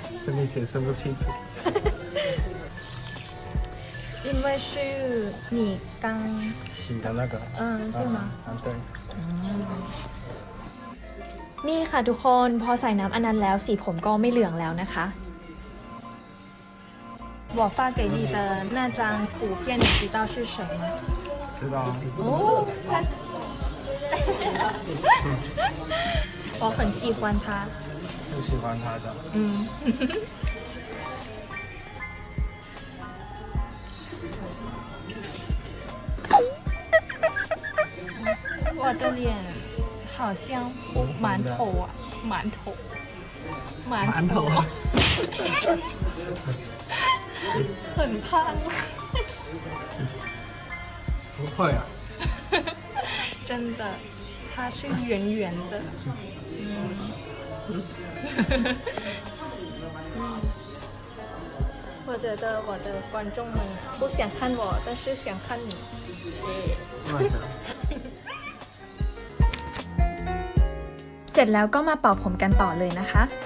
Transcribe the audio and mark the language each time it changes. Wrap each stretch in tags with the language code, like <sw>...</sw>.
<zh>这边解释不清楚因为是你刚洗的那个对吗对</zh> <th>นี่ค่ะทุกคนพอใส่น้ำอันนั้นแล้วสีผมก็ไม่เหลืองแล้วนะคะ</th> <zh>我发给你的那张图片你知道是什么知道我很喜欢他很喜欢他的我的脸好像馒头啊馒头馒头很胖不会啊真的它是圆圆的我觉得我的观众们不想看我但是想看你</zh> <th>เสร็จแล้วก็มาเป่าผมกันต่อเลยนะคะ</th>